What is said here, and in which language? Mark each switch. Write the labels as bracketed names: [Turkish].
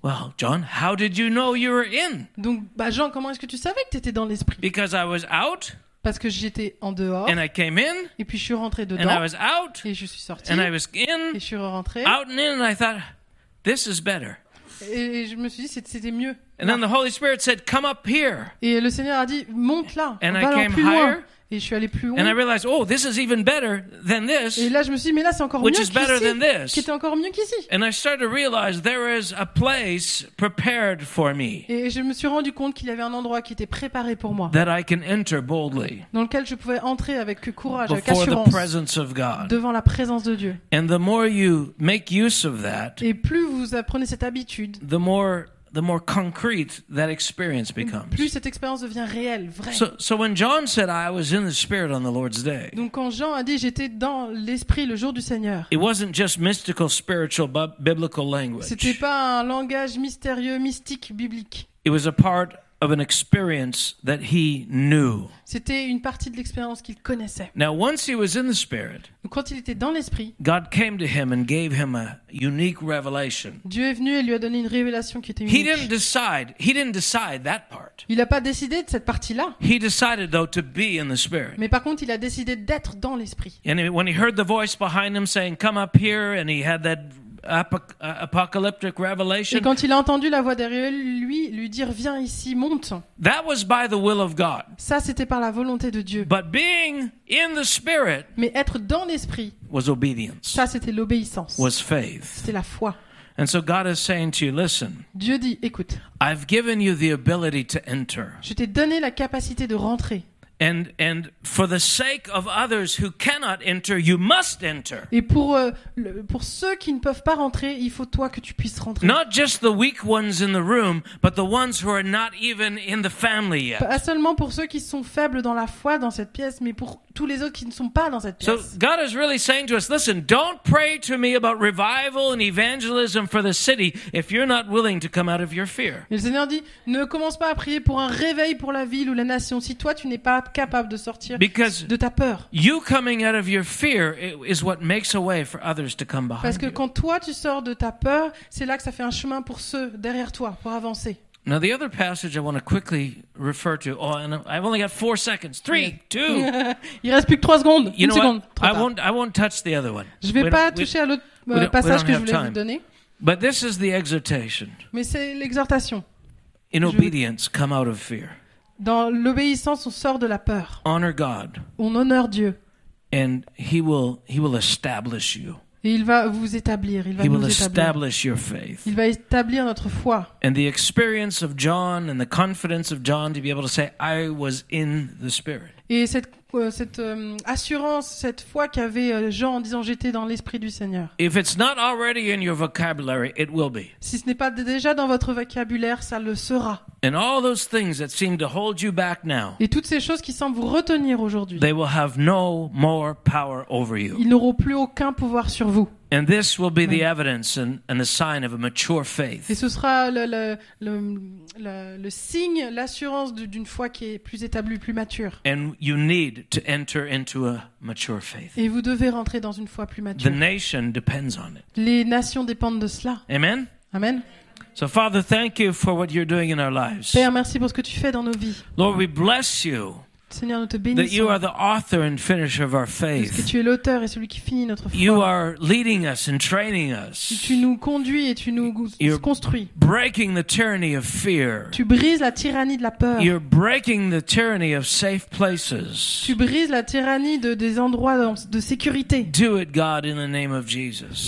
[English] Well, John, how did you know you were in? [French] Donc bah Jean, comment est-ce que tu savais que tu étais dans l'esprit? [English] Because I was out. [French] Parce que j'étais en dehors. [English] And I came in. [French] Et puis je suis rentré dedans. [English] And I was out. [French] Et je suis sorti. [English] And I was in. [French] Et je suis rentré. [English] Out and in, and I thought this is better. [French] Et je me suis dit c'était mieux. [English] And then the Holy Spirit said, come up here. [French] Et le Seigneur a dit monte là. [English] And [French] va [English] I came [French] plus [English] higher, [French] loin. Et je suis allé plus haut. [English] And I realized, oh, this is even better than this. [French] Et là je me suis dit mais là c'est encore [English] which [French] mieux [English] is better [French] qu'ici, [English] than this. [French] Qui était encore mieux qu'ici. [English] And I started to realize there is a place prepared for me. [French] Et je me suis rendu compte qu'il y avait un endroit qui était préparé pour moi. [English] That I can enter boldly. [French] Dans lequel je pouvais entrer avec courage, [English] before [French] avec assurance. [English] The presence of God. [French] Devant la présence de Dieu. [English] And the more you make use of that. [French] Et plus vous apprenez cette habitude. [English] The more concrete that experience becomes. [French] Plus cette expérience devient réelle, vraie. [English] So when John said I was in the spirit on the Lord's day. [French] Donc quand Jean a dit j'étais dans l'esprit le jour du Seigneur. [English] It wasn't just mystical, spiritual, biblical language. [French] C'était pas un langage mystérieux, mystique, biblique. [English] It was a part of an experience that he knew. [French] C'était une partie de l'expérience qu'il connaissait. [English] Now once he was in the spirit. [French] Quand il était dans l'esprit. [English] God came to him and gave him a unique revelation. [French] Dieu est venu et lui a donné une révélation qui était unique. [English] He didn't decide that part. [French] Il a pas décidé de cette partie-là. [English] He decided though to be in the spirit. [French] Mais par contre, il a décidé d'être dans l'esprit. [English] And when he heard the voice behind him saying come up here and he had that apocalyptic revelation. [French] Et quand il a entendu la voix derrière lui lui dire viens ici monte. [English] That was by the will of God. [French] Ça c'était par la volonté de Dieu. [English] But being in the spirit. [French] Mais être dans l'esprit. [English] Was obedience. [French] Ça c'était l'obéissance. [English] Was faith. [French] C'était la foi. [English] And so God is saying to you, listen. [French] Dieu dit écoute. [English] I've given you the ability to enter. [French] Je t'ai donné la capacité de rentrer. [English] And for the sake of others who cannot enter, you must enter. [French] Et pour ceux qui ne peuvent pas rentrer, il faut toi que tu puisses rentrer. [English] Not just the weak ones in the room, but the ones who are not even in the family yet. [French] Pas seulement pour ceux qui sont faibles dans la foi dans cette pièce, mais pour tous les autres qui ne sont pas dans cette pièce. [English] So God is really saying to us, listen, don't pray to me about revival and evangelism for the city if you're not willing to come out of your fear. [French] Et le Seigneur dit, ne commence pas à prier pour un réveil pour la ville ou la nation si toi tu n'es pas capable de sortir [English] because [French] de ta peur. [English] You coming out of your fear is what makes a way for others to come behind. [French] Parce que quand toi tu sors de ta peur, c'est là que ça fait un chemin pour ceux derrière toi pour avancer. [English] Now the other passage I want to quickly refer to. Oh, and I've only got 4 seconds. 3, 2. [French] Il reste plus que 3 secondes. [English] You know [French] seconde, [English] what? I won't touch the other one. [French] Je vais pas toucher à l'autre passage que je voulais vous donner. [English] But this is the exhortation. [French] Mais c'est l'exhortation. [English] In obedience, come out of fear. [French] Dans l'obéissance, on sort de la peur. [English] Honor God. [French] On honore Dieu. [English] And he will establish you. [French] Et il va vous établir. Il va [English] he [French] nous [English] will [French] établir. [English] Establish your faith. [French] Il va établir notre foi. [English] And the experience of John and the confidence of John to be able to say, I was in the Spirit. [French] Et cette assurance, cette foi qu'avait Jean en disant j'étais dans l'esprit du Seigneur. [English] If it's not already in your vocabulary, it will be. [French] Si ce n'est pas déjà dans votre vocabulaire, ça le sera. [English] And all those things that seem to hold you back now. [French] Et toutes ces choses qui semblent vous retenir aujourd'hui. [English] They will have no more power over you. [French] Ils n'auront plus aucun pouvoir sur vous. [English] And this will be the evidence and the sign of a mature faith. [French] Et ce sera le signe, l'assurance d'une foi qui est plus établie, plus mature. [English] And you need to enter into a mature faith. [French] Et vous devez rentrer dans une foi plus mature. [English] The nation depends on it. [French] Les nations dépendent de cela. [English] Amen. [French] Amen. [English] So Father, thank you for what you're doing in our lives. [French] Père, merci pour ce que tu fais dans nos vies. [English] Lord, we bless you. [French] Seigneur, nous te bénissons. [English] That you are the author and finisher of our faith. [French] Parce que tu es l'auteur et celui qui finit notre foi. [English] You are leading us and training us. [French] Tu nous conduis et tu nous construis. [English] You're breaking the tyranny of fear. [French] Tu brises la tyrannie de la peur. [English] You're breaking the tyranny of safe places. [French] Tu brises la tyrannie des endroits de sécurité. [English] Do it, God, in the name of Jesus.